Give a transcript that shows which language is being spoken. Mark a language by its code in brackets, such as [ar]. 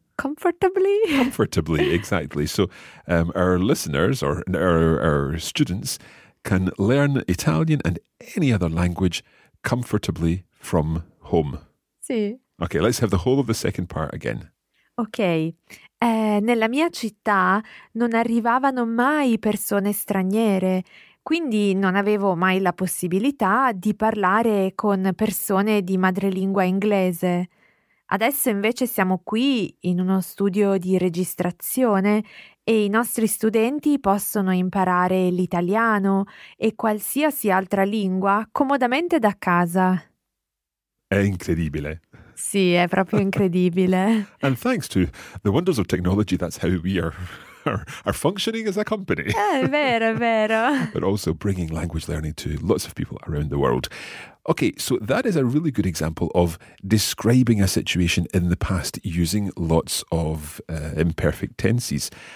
[en] comfortably. Comfortably, exactly. So our listeners or our students can learn Italian and any other language comfortably from home. [it] Sì. [en] Okay, let's have the whole of the second part again. Okay. [it] Nella mia città non arrivavano mai persone straniere, quindi non avevo mai la possibilità di parlare con persone di madrelingua inglese. Adesso invece siamo qui in uno studio di registrazione e i nostri studenti possono imparare l'italiano e qualsiasi altra lingua comodamente da casa. È incredibile. Sì, è proprio incredibile. [en] And thanks to the wonders of technology, that's how we are functioning as a company. [it] È vero, è vero. [en] But also bringing language learning to lots of people around the world. Okay, so that is a really good example of describing a situation in the past using lots of imperfect tenses.